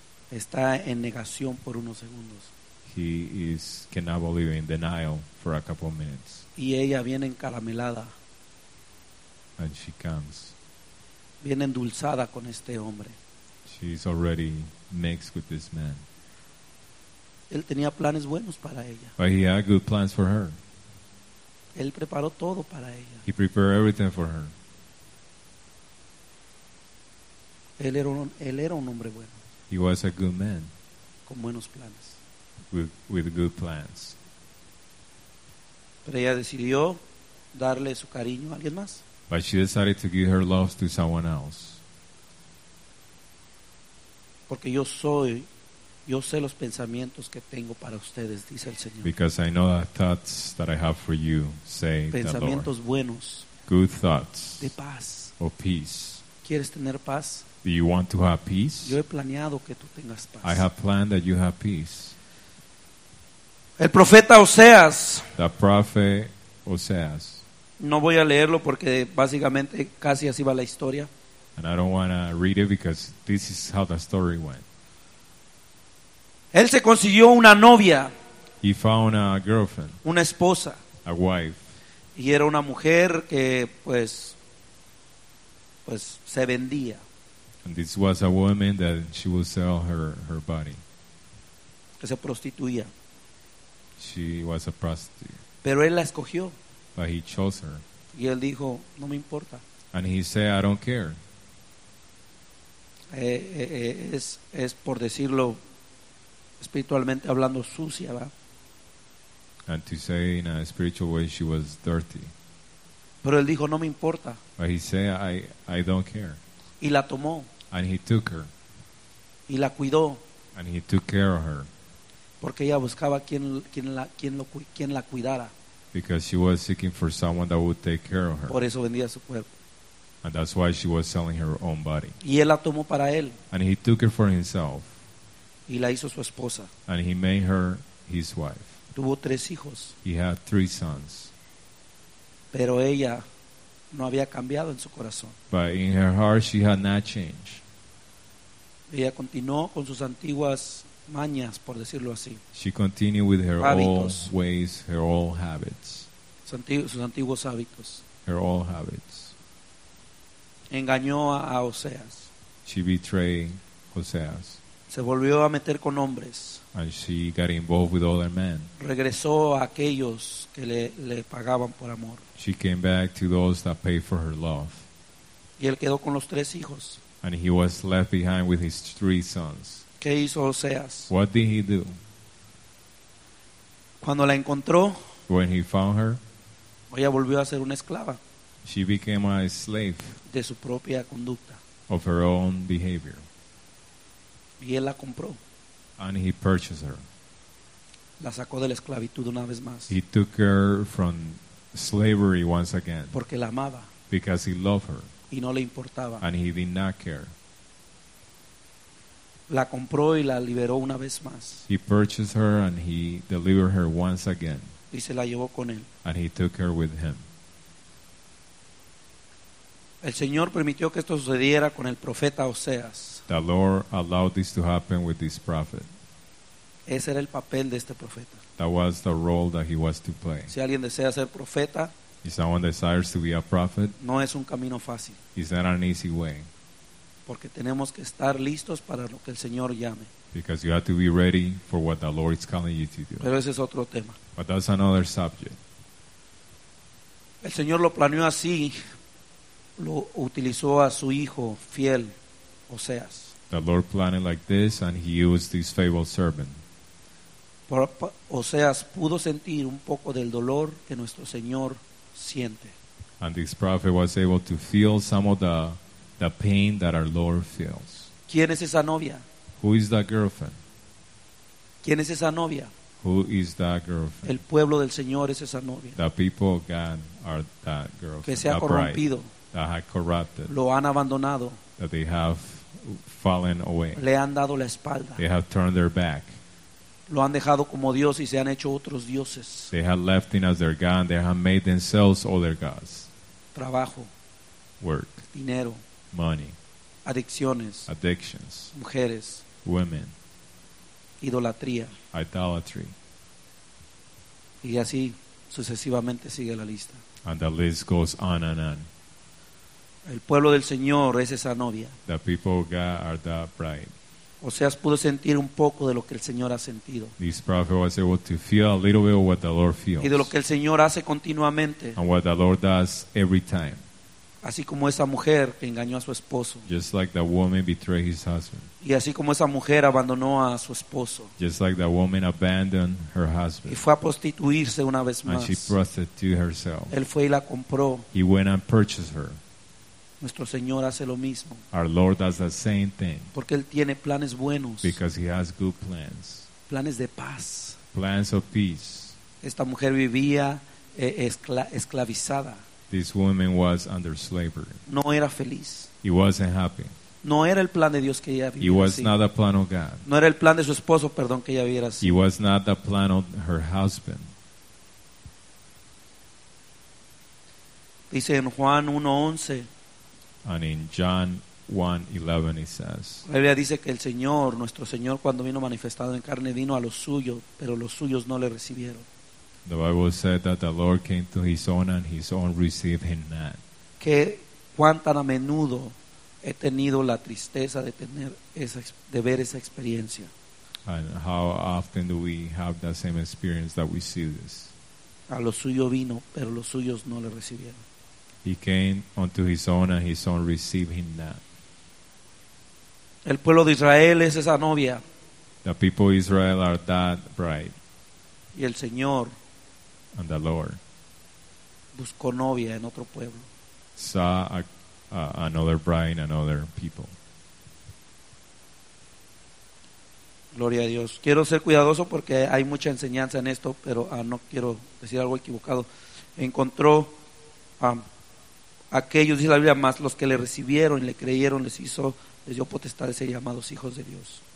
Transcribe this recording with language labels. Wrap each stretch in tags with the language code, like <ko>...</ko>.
<es>Está en negación por unos segundos.</es> <en>He is cannot believe in denial for a couple of minutes.</en> <es>Y ella viene encaramelada.</es> <en>And she comes.</en> <es>Viene endulzada con este hombre.</es> <en>She is already mixed with this man.</en> <es>Él tenía planes buenos para ella.</es> <en>But he had good plans for her.</en> <es>Él preparó todo para ella.</es> <en>He prepared everything for her.</en> <es>Él era un hombre bueno.</es> <en>He was a good man.</en> <es>Con buenos planes.</es> <en>With good plans.</en> <es>Pero ella decidió darle su cariño a alguien más.</es> <en>But she decided to give her love to someone else.</en> <es>Porque yo sé los pensamientos que tengo para ustedes, dice el Señor.</es> <en>Because I know the thoughts that I have for you, say the Lord.</en> <es>Pensamientos buenos.</es> <en>Good thoughts.</en> <es>De paz.</es> <en>Of peace.</en> <es>¿Quieres tener paz?</es> <en>Do you want to have peace?</en> <es>Yo he planeado que tú tengas paz.</es> <en>I have planned that you have peace.</en> <es>El profeta Oseas.</es> <en>The prophet Oseas.</en> <es>No voy a leerlo porque básicamente casi así va la historia.</es> <en>And I don't want to read it because this is how the story went.</en> <es>Él se consiguió una novia.</es> <en>He found a girlfriend.</en> <es>Una esposa.</es> <en>A wife.</en> <es>Y era una mujer que pues se vendía.</es> <en>And this was a woman that she would sell her body.</en> <es>Que se prostituía.</es> <en>She was a prostitute.</en> <es>Pero él la escogió.</es> <en>But he chose her.</en> <es>Y él dijo, no me importa.</es> <en>And he said, I don't care.</en> <es>Es por decirlo espiritualmente hablando sucia, ¿verdad?</es> <en>And to say in a spiritual way she was dirty.</en> <es>Pero él dijo, no me importa.</es> <en>But he said, I don't care.</en> <es>Y la tomó.</es> <en>And he took her.</en> <es>Y la cuidó.</es> <en>And he took care of her.</en> <es>Porque ella buscaba quien la cuidara.</es> <en>Because she was seeking for someone that would take care of her.</en> <es>Por eso vendía su cuerpo.</es> <en>And that's why she was selling her own body.</en> <es>Y él la tomó para él.</es> <en>And he took her for himself.</en> <es>Y la hizo su esposa.</es> <en>And he made her his wife.</en> <es>Tuvo tres hijos.</es> <en>He had three sons.</en> <es>Pero ella no había cambiado en su corazón.</es> <en>But in her heart she had not changed.</en> <es>Ella continuó con sus antiguas mañas, por decirlo así.</es> <en>She continued with her old ways, her old habits.</en> <es>Sus antiguos hábitos.</es> <en>Her old habits.</en> <es>Engañó a Oseas.</es> <en>She betrayed Oseas.</en> <es>Se volvió a meter con hombres.</es> <en>And she got involved with other men.</en> <es>Regresó a aquellos que le pagaban por amor.</es> <en>She came back to those that paid for her love.</en> <es>Y él quedó con los tres hijos.</es> <en>And he was left behind with his three sons.</en> <es>¿Qué hizo Oseas?</es> <en>What did he do?</en> <es>Cuando la encontró.</es> <en>When he found her.</en> <es>Ella volvió a ser una esclava.</es> <en>She became a slave.</en> <es>De su propia conducta.</es> <en>Of her own behavior.</en> <es>Y él la compró.</es> <en>And he purchased her.</en> <es>La sacó de la esclavitud una vez más.</es> <en>He took her from slavery once again.</en> <es>Porque la amaba.</es> <en>Because he loved her.</en> <es>Y no le importaba.</es> <en>And he did not care.</en> <es>La compró y la liberó una vez más.</es> <en>He purchased her and he delivered her once again.</en> <es>Y se la llevó con él.</es> <en>And he took her with him.</en> <es>El Señor permitió que esto sucediera con el profeta Oseas.</es> <en>The Lord allowed this to happen with this prophet.</en> <es>Ese era el papel de este profeta.</es> <en>That was the role that he was to play.</en> <es>Si alguien desea ser profeta,</es> <en>if someone desires to be a prophet,</en> <es>no es un camino fácil.</es> <en>It's not an easy way.</en> <es>Porque tenemos que estar listos para lo que el Señor llame.</es> <en>Because you have to be ready for what the Lord is calling you to do.</en> <es>Pero ese es otro tema.</es> <en>But that's another subject.</en> <es>El Señor lo planeó así, lo utilizó a su hijo fiel, Oseas.</es> <en>The Lord planned it like this, and he used his faithful servant.</en> <es>Oseas pudo sentir un poco del dolor que nuestro Señor siente.</es> <en>And this prophet was able to feel some of the pain that our Lord feels.</en> <es>¿Quién es esa novia?</es> <en>Who is that girlfriend?</en> <es>¿Quién es esa novia?</es> <en>Who is that girlfriend?</en> <es>El pueblo del Señor es esa novia.</es> <en>The people of God are that girlfriend.</en> <es>Que se ha corrompido.</es> <en>Bride, that had corrupted.</en> <es>Lo han abandonado.</es> <en>That they have fallen away.</en> <es>Le han dado la espalda.</es> <en>They have turned their back.</en> <es>Lo han dejado como Dios y se han hecho otros dioses.</es> <en>They have left him as their God and they have made themselves other gods.</en> <es>Trabajo.</es> <en>Work.</en> <es>Dinero.</es> <en>Money.</en> <es>Adicciones.</es> <en>Addictions.</en> <es>Mujeres.</es> <en>Women.</en> <es>Idolatría.</es> <en>Idolatry.</en> <es>Y así sucesivamente sigue la lista.</es> <en>And the list goes on and on.</en> <es>El pueblo del Señor es esa novia.</es> <en>The people of God are that bride.</en> <es>Oseas pudo sentir un poco de lo que el Señor ha sentido.</es> <en>This prophet was able to feel a little bit of what the Lord feels.</en> <es>Y de lo que el Señor hace continuamente.</es> <en>And what the Lord does every time.</en> <es>Así como esa mujer que engañó a su esposo.</es> <en>Just like the woman betrayed his husband.</en> <es>Y así como esa mujer abandonó a su esposo.</es> <en>Just like the woman abandoned her husband.</en> <es>Y fue a prostituirse una vez más.</es> <en>And she prostituted herself.</en> <es>Él fue y la compró.</es> <en>He went and purchased her.</en> <es>Nuestro Señor hace lo mismo.</es> <en>Our Lord does the same thing.</en> <es>Porque Él tiene planes buenos.</es> <en>Because He has good plans.</en> <es>Planes de paz.</es> <en>Plans of peace.</en> <es>Esta mujer vivía esclavizada.</es> <en>This woman was under slavery.</en> <es>No era feliz.</es> <en>He wasn't happy.</en> <es>No era el plan de Dios que ella vivía.</es> <en>It was</en> <es>así.</es> <en>Not the plan of God.</en> <es>No era el plan de su esposo, perdón, que ella viviera así.</es> <en>It was not the plan of her husband.</en> <es>Dice en Juan 1:11.</es> <en>And in John 1:11 it says.</en> <es>La Biblia dice que el Señor, nuestro Señor, cuando vino manifestado en carne, vino a los suyos, pero los suyos no le recibieron.</es> <en>The Bible said that the Lord came to His own and His own received Him not.</en> <es>Que cuánta a menudo he tenido la tristeza de tener esa, de ver esa experiencia.</es> <en>And how often do we have that same experience that we see this?</en> <es>A lo suyo vino, pero los suyos no le recibieron.</es> <en>He came unto His own and His own received Him not.</en> <es>El pueblo de Israel es esa novia.</es> <en>The people of Israel are that bride.</en> <es>Y el Señor.</es> <en>And the Lord</en> <es>buscó novia en otro pueblo.</es> <en>Saw another bride and other people.</en> <es>Gloria a Dios. Quiero ser cuidadoso porque hay mucha enseñanza en esto, pero no quiero decir algo equivocado. Encontró aquellos, dice la Biblia, más los que le recibieron y le creyeron, les dio potestad de ser llamados hijos de Dios.</es>